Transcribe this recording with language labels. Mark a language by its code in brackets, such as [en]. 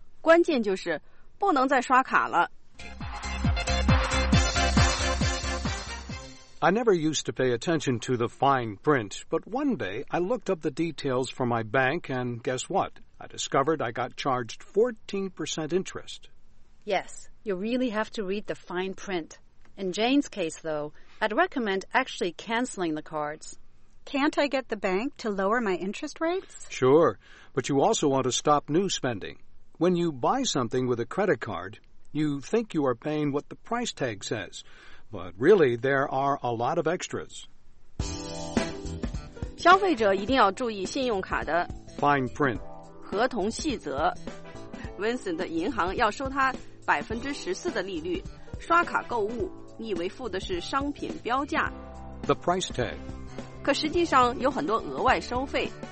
[zh] 关键就是,不能再刷卡了。 [en] I never used to pay attention to the fine print, but one day I looked up the details for my bank, and guess what? I discovered I got charged 14% interest. Yes, you really have to read the fine print. In Jane's case, though, I'd recommend actually canceling the cards. Can't I get the bank to lower my interest rates? Sure, but you also want to stop new spending. When you buy something with a credit card, you think you are paying what the price tag says. But really, there are a lot of extras. [zh] 消费者一定要注意信用卡的 [en] fine print [zh] 合同细则。Vincent 的银行要收他14%的利率。刷卡购物，你以为付的是商品标价 [en] the price tag. [zh] 可实际上有很多额外收费